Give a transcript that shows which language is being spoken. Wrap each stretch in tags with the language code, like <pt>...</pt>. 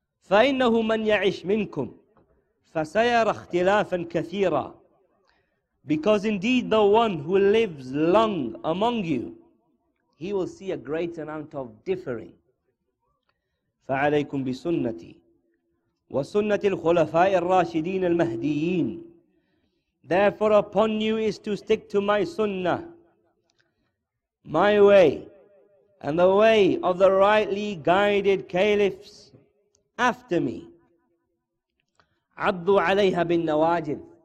<ar>فَإِنَّهُ مَنْ يَعِشْ مِنْكُمْ فَسَيَرَ اخْتِلَافًا كَثِيرًا.</ar> <en>Because indeed the one who lives long among you, he will see a great amount of differing.</en> <ar>فَعَلَيْكُمْ بِسُنَّتِي وسنة الخلفاء الراشدين المهديين.</ar> <en>Therefore upon you is to stick to my sunnah, my way, and the way of the rightly guided caliphs after me.</en> <ar>عضوا عليها بالنواجذ.</ar>